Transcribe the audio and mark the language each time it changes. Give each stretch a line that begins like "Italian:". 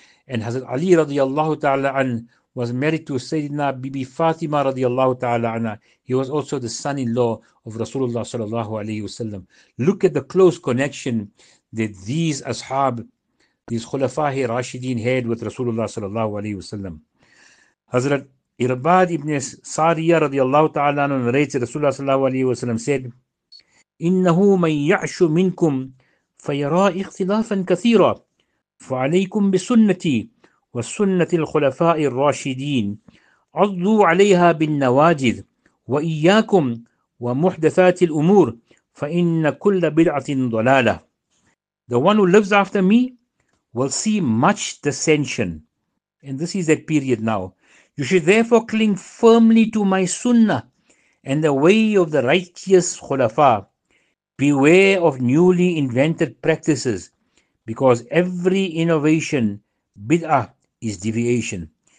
English: And Hazrat Ali radiallahu ta'ala anhu was married to Sayyidina Bibi Fatima radiallahu ta'ala anha. He was also the son-in-law of Rasulullah sallallahu alayhi wasallam. Look at the close connection that these ashab, these khulafahi Rashideen had with Rasulullah sallallahu alayhi wasallam. Hazrat Irbad ibn Sariya radiallahu ta'ala anha narrates Rasulullah sallallahu alayhi wasallam said,
Arabic: إِنَّهُ مَنْ يَعْشُ مِنْكُمْ فَيَرَى اِخْتِلَافًا كَثِيرًا فَعَلَيْكُمْ بِسُنَّتِي والسنة الخلفاء الراشدين عضوا عليها بالنواجذ وإياكم ومحدثات الأمور فإن كل بدعة ضلالة.
English: The one who lives after me will see much dissension. And this is that period now. You should therefore cling firmly to my sunnah and the way of the righteous khulafa. Beware of newly invented practices, because every innovation, bid'ah, is deviation.